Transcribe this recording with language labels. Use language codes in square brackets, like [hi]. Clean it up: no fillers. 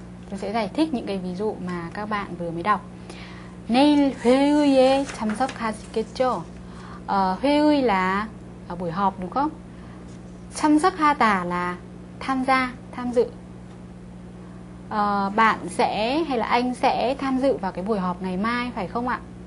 [vi] Tôi sẽ giải thích những cái ví dụ mà các bạn vừa mới đọc. [ko] 내일 회의에 참석하시겠죠? [vi] 회의 là buổi họp đúng không? 참석하다 là tham gia, tham dự. Bạn sẽ hay là anh sẽ tham dự vào cái buổi họp ngày mai phải không ạ?